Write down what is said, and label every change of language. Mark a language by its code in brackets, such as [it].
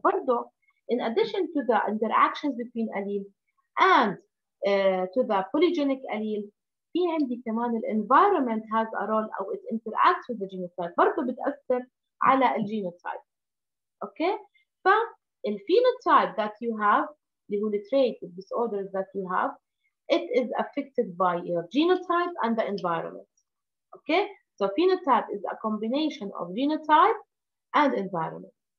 [ar] برضو [en] in addition to the interactions between alleles and to the polygenic allele, [ar] في عندي كمان [en] the environment has a role or it interacts with the genotype. [ar] برضو بتأثر على الجينوتايب. [en] Okay. ف the phenotype that you have, the trait, the disorders that you have, it is affected by your genotype and the environment. Okay? So phenotype is a combination of genotype and environment.